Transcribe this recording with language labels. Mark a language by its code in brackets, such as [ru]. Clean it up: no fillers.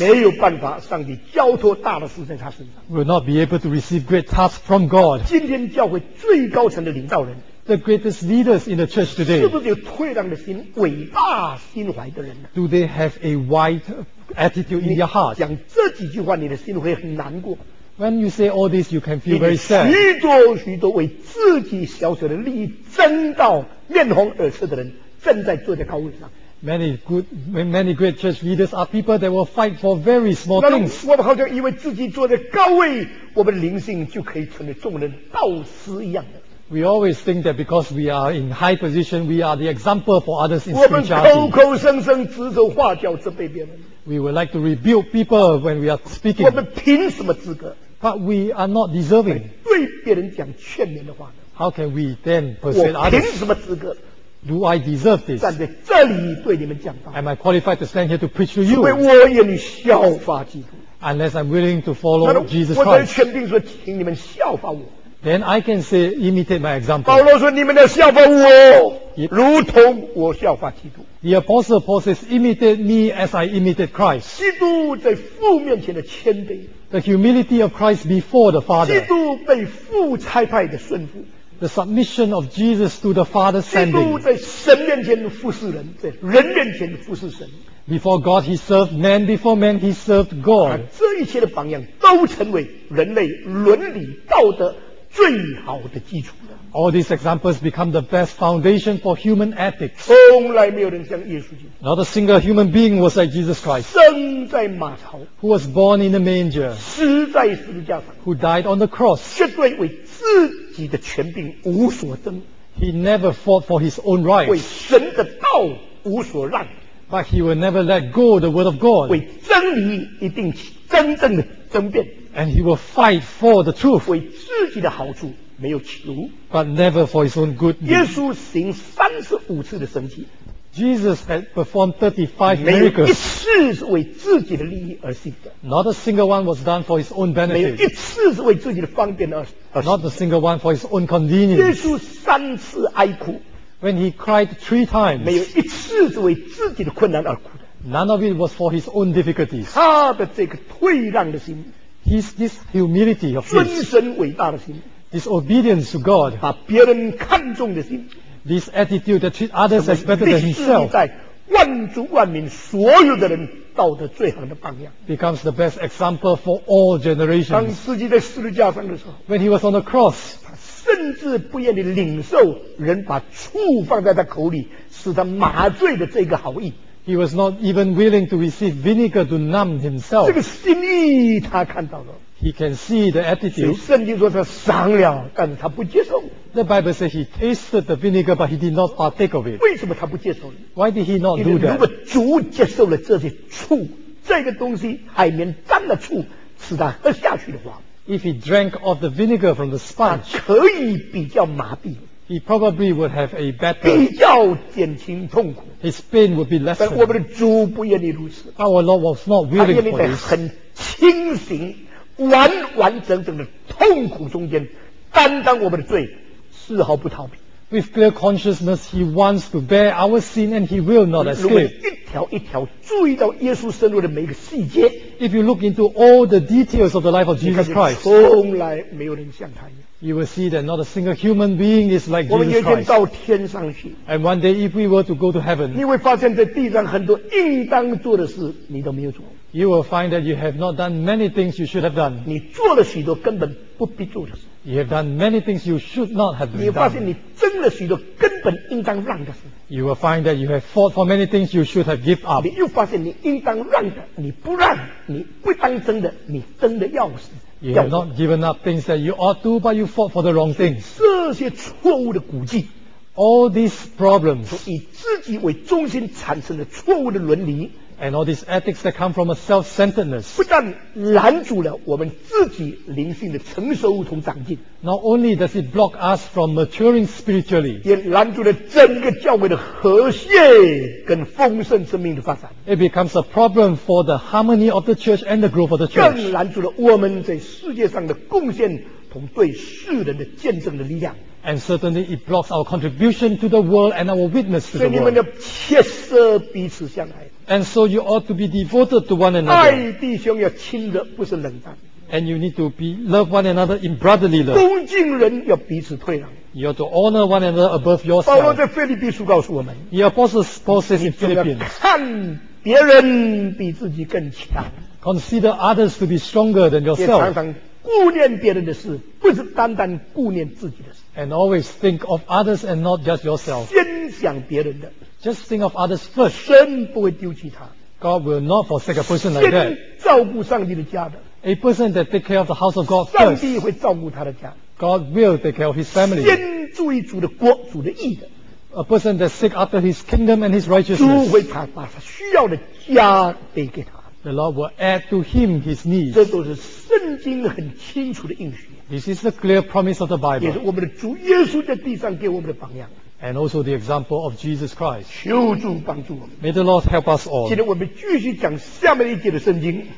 [zh] 没有办法，上帝交托大的事在他身上 [en] ，will not be able to receive great tasks from God。 [zh] 今天教会最高层的领导人 [en] ，the greatest leaders in the church today， [zh] 是不是有退让的心、伟大心怀的人 [en] ？Do they have a wide attitude in their heart？ [zh] 讲这几句话，你的心会很难过。 [en] When you say all this, you can feel very sad. [zh] 许多许多为自己小小的利益争到面红耳赤的人。正在坐在高位上。 [en] Many great church leaders are people that will fight for very small things. [zh] 我们好像以为自己坐在高位，我们灵性就可以成为众人导师一样的。 [en] We always think that because we are in high position, we are the example for others in spirituality. [zh] 我们口口声声指手画脚责备别人。 [en] We would like to rebuke people when we are speaking. [zh] 我们凭什么资格 [en] ？But we are not deserving. [zh] 对别人讲劝勉的话呢 [en] ？How can we then persuade others? [zh] 我凭什么资格？ [en] Do I deserve this? [zh] 站在这里对你们讲道。 [en] Am I qualified to stand here to preach to you? [zh] 因为我愿意效法基督。 [en] Unless I'm willing to follow Jesus Christ. [zh] 我在劝并说，请你们效法我。 [en] Then I can say imitate my example. [zh] 保罗说，你们要效法我，如同我效法基督。 [en] The apostle Paul says, imitate me as I imitate Christ. [zh] 基督在父面前的谦卑。 [en] The humility of Christ before the Father. [zh] 基督被父差派的顺服。 [en] The submission of Jesus to the Father's sending. [zh] 基督在神面前服侍人，在人面前服侍神。 [en] Before God, he served man. Before man, he served God. [zh] 这一切的榜样都成为人类伦理道德最好的基础了。 [en] All these examples become the best foundation for human ethics. [zh] 从来没有人像耶稣基督。 [en] Not a single human being was like Jesus Christ. [zh] 生在马槽。 [en] Who was born in a manger. [zh] 死在十字架上。 [en] Who died on the cross. [zh] 绝对为自己的权柄无所争。 [en] He never fought for his own rights. [zh] 为神的道无所让。 [en] But he will never let go the word of God. [zh] 为真理一定真正的争辩。 [en] And he will fight for the truth. [zh] 为自己的好处。没有求 [en] but never for his own good need. [zh] 耶稣行三十五次的神迹 [en] Jesus had performed 35 miracles [zh] 没有一次是为自己的利益而行的 [en] not a single one was done for his own benefit [zh] 没有一次是为自己的方便而行 [en] not a single one for his own convenience [zh] 耶稣三次哀哭 [en] when he cried three times [zh] 没有一次是为自己的困难而哭的 [en] none of it was for his own difficulties [zh] 他的这个退让的心 [en] his this humility of his [zh] 尊神伟大的心 [en] Disobedience to God. [zh] 把别人看重的心 [en] This attitude that treats others as better than himself. [zh] 在万族万民所有的人道德最好的榜样 [en] Becomes the best example for all generations. [zh] 当自己在十字架上的时候 [en] When he was on the cross. [zh] 他甚至不愿意领受人把醋放在他口里使他麻醉的这个好意 [en] He was not even willing to receive vinegar to numb himself. [zh] 这个心意他看到了 [en] He can see the attitude. [zh] 圣经说他尝了，但是他不接受。 [en] The Bible says he tasted the vinegar, but he did not partake of it. [zh] 为什么他不接受 [en] ？Why did he not do that? [zh] 如果主接受了这些醋，这个东西海绵沾了醋，使他喝下去的话 [en] if he drank of the vinegar from the sponge, [zh] 可以比较麻痹。 [en] He probably would have a better. [zh] 比较减轻痛苦。 [en] His pain would be less. [zh] 但我们的主不愿意如此。 [en] Our Lord was not willing for this. [zh] 他愿意在很清醒、完完整整的痛苦中间担当我们的罪，丝毫不逃避。 [en] With clear consciousness, he wants to bear our sin and he will not escape. [zh] 如果一条一条注意到耶稣生活的每一个细节， [en] If you look into all the details of the life of Jesus Christ, [zh] 从来没有人像他一样。 [en] You will see that not a single human being is like Jesus Christ. [zh] 我们有一天到天上去。 [en] And one day if we were to go to heaven, [zh] 你会发现在地上很多应当做的事你都没有做。 [en] You will find that you have not done many things you should have done. [zh] 你做了许多根本不必做的事。 [en] You have done many things you should not have done. [zh] 你发现你争了许多根本应当让的事。 [en] You will find that you have fought for many things you should have given up. [zh] 你又发现你应当让的，你不让，你不当争的，你争的要死。 [en] You have not given up things that you ought to, but you fought for the wrong things. [zh] 这些错误的轨迹。 [en] All these problems. [zh] 从以自己为中心产生的错误的伦理。 [en] And all these ethics that come from a self-centeredness, [zh] 不但拦阻了我们自己灵性的成熟同长进， [en] not only does it block us from maturing spiritually, [zh] 也拦阻了整个教会的和谐跟丰盛生命的发展。 [en] It becomes a problem for the harmony of the church and the growth of the church. [zh] 更拦阻了我们在世界上的贡献同对世人的见证的力量。 [en] And certainly it blocks our contribution to the world and our witness to the world. [zh] 所以你们要切实彼此相爱。 [en] And so you ought to be devoted to one another. [zh] 爱弟兄要亲热，不是冷淡。 [en] And you need to be love one another in brotherly love. [zh] 恭敬人要彼此退让。 [en] You ought to honor one another above yourself. [zh] 保罗在腓立比书告诉我们。 [en] The apostle Paul says in Philippians. [zh] 看别人比自己更强。 [en] Consider others to be stronger than yourself. [zh] 常常顾念别人的事，不是单单顾念自己的事。 [en] And always think of others and not just yourself. [zh] 先想别人的。 [en] Just think of others first. [zh] 神不会丢弃他。 [en] God will not forsake a person like that. [zh] 先照顾上帝的家的。 [en] A person that take care of the house of God first. [zh] 上帝会照顾他的家。 [en] God will take care of his family. [zh] 先注意主的国，主的义的。 [en] A person that seek after his kingdom and his righteousness. [zh] 主会把他需要的家给他。 [en] The Lord will add to him his needs. [zh] 这都是圣经很清楚的应许。 [en] This is the clear promise of the Bible. [zh] 也是我们的主耶稣在地上给我们的榜样。 [en] And also the example of Jesus Christ. [zh] 求主帮助我们。 [en] May the Lord help us all. [zh] 今天我们继续讲下面一节的圣经。